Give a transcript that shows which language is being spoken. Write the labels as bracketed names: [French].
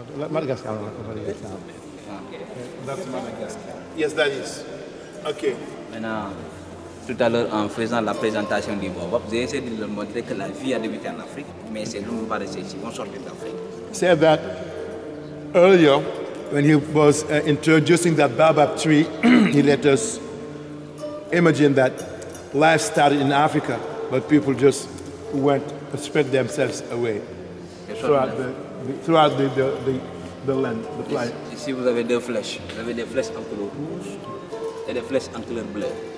[French] Madagascar. [English] That's Madagascar. Yes, that is. Okay. [French] Tout à l'heure, en faisant la présentation du baobab, j'ai essayé de leur montrer que la vie a débuté en Afrique, mais c'est nous pas restés ici, on sortait d'Afrique. [English] Said that earlier, when he was introducing that baobab tree, he let us imagine that life started in Africa, but people just went spread themselves away throughout the land, the planet. [French] Ici, vous avez deux flèches. Vous avez des flèches en couleur rouge et des flèches en couleur bleue.